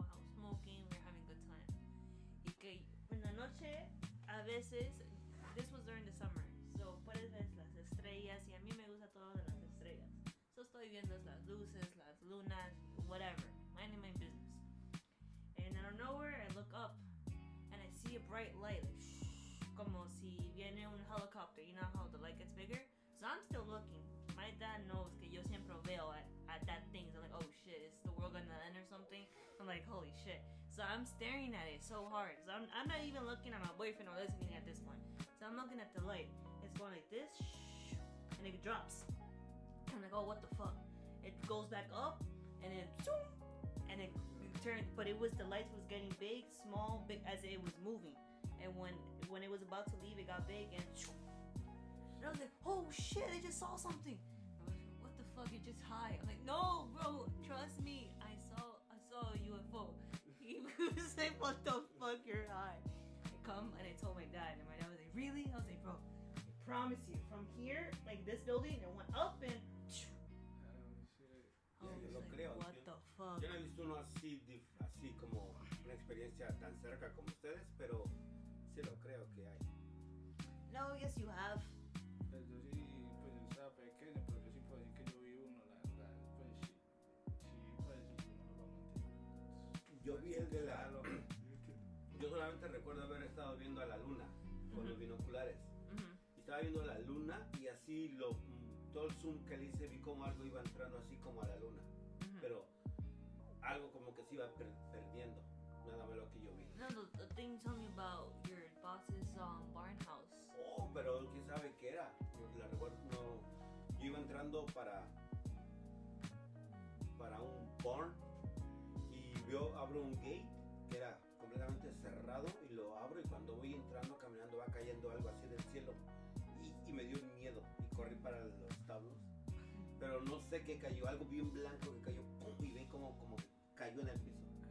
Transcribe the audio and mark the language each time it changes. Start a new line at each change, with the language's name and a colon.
English: I was smoking, we're having a good time.
Spanish: Y que en la noche, a veces,
English: this was during the summer.
Spanish: So, puedes ver las estrellas y a mí me gusta todo de las estrellas. So, estoy viendo las luces, las lunas, whatever.
English: Minding my business. And out of nowhere, I look up and I see a bright light. Like,
Spanish: como si viene un
English: helicopter. You know how the light gets bigger? So, I'm still looking. My dad knows
Spanish: que yo siempre veo
English: at that thing. So, I'm like, oh shit, is the world gonna end or something? I'm like, holy shit. So, I'm staring at it so hard. So, I'm not even looking at my boyfriend or listening at this point. So, I'm looking at the light. It's going like this, and it drops. I'm like, oh, what the fuck? It goes back up, and then zoom, and it turns. But it was, the lights was getting big, small, big, as it was moving. And when it was about to leave, it got big, and I was like, oh, shit, I just saw something. I was like, what the fuck? You're just high. I'm like, no, bro, trust me. I saw a UFO. He was like, what the fuck? You're high. I come, and I told my dad, and my dad was like, really? I was like, bro. Promise you, from here, like this building, it went up and. What the fuck?
Spanish: Yo no he visto uno así como una experiencia tan cerca como ustedes, pero sí lo creo que hay.
English: No, yes, you have.
Spanish: Yo sí, pues yo estaba pequeño, pero yo sí puedo decir que yo vi uno, la verdad. Pues sí, pues sí, no lo conté. Yo vi el de la. Yo solamente recuerdo haber estado viendo a la luna con los binoculares. Estaba viendo la luna y así todo el zoom que le hice, vi como algo iba entrando así como a la luna. Pero algo como que se iba perdiendo, nada más lo que yo vi.
English: No, the thing tell me about your boss's barn house.
Spanish: Oh, pero quién sabe qué era. La recuerdo, no. Yo iba entrando para un barn y abro un gate que era completamente cerrado y lo abro y cuando voy entrando caminando va cayendo algo así del cielo. Y me dio miedo y corrí para los establos. Pero no sé qué cayó, algo bien blanco que cayó, pum, y ve como cayó en el piso.